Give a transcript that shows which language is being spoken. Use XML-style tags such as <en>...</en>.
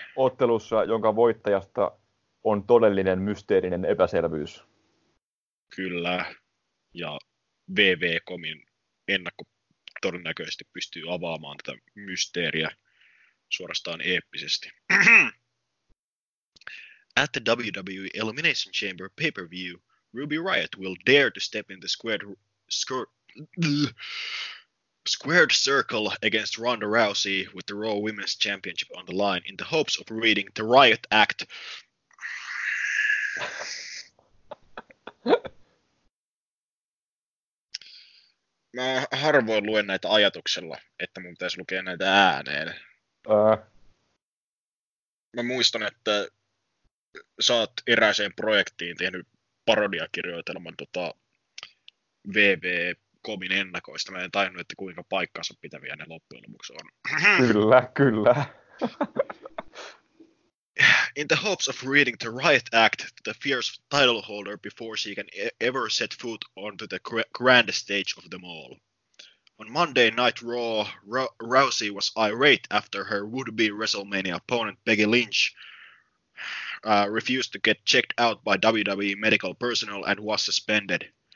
<fi>Ottelussa, jonka voittajasta on todellinen mysteerinen epäselvyys. Kyllä, ja WWE.comin ennakko todennäköisesti pystyy avaamaan tätä mysteeriä suorastaan eeppisesti.</fi> <en>At the WWE Elimination Chamber pay-per-view, Ruby Riott will dare to step in the squared circle against Ronda Rousey with the Raw Women's Championship on the line in the hopes of reading the Riot Act.</en> <fi>Mä harvoin luen näitä ajatuksella, että mun pitäisi lukea näitä ääneen. Mä muistan, että sä oot erääseen projektiin tehnyt parodiakirjoitelman WWE.comin ennakoista. Mä en tajunnut, että kuinka paikkansa pitäviä ne loppujen lopuksi on. Kyllä.</fi> <en>In the hopes of reading the Riot Act to the fierce title holder before she can ever set foot onto the grand stage of them all. On Monday Night Raw, Rousey was irate after her would-be WrestleMania opponent Becky Lynch refused to get checked out by WWE medical personnel and was suspended.</en>